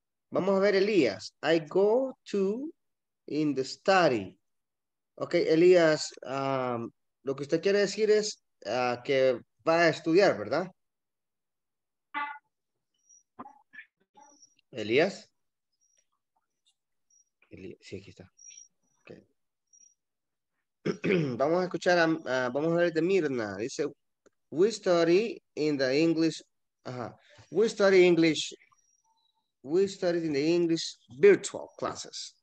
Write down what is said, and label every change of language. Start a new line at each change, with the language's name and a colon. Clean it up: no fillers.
Spanish: Vamos a ver,
English: Elías, I go to in the study.
Spanish: Ok, Elías, lo que usted quiere decir es que va a estudiar, ¿verdad? Elías. Sí, aquí está. Okay. Vamos a escuchar, vamos a ver de Mirna. Dice,
English: we study in the English, we study in the English virtual classes.